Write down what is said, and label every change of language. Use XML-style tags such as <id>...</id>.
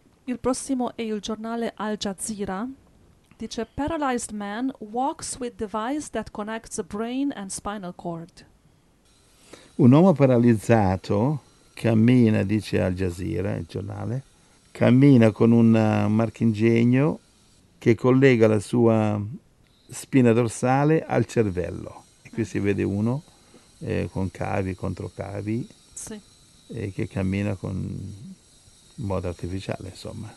<it>Il prossimo è il giornale Al Jazeera. Dice:</it> <en>Paralyzed man walks with device that connects brain and spinal cord.</en> <it>Un uomo paralizzato cammina, dice Al Jazeera, il giornale, cammina con un marchingegno che collega la sua spina dorsale al cervello. E qui si vede uno con cavi, controcavi, che cammina con modo artificiale, insomma.</it>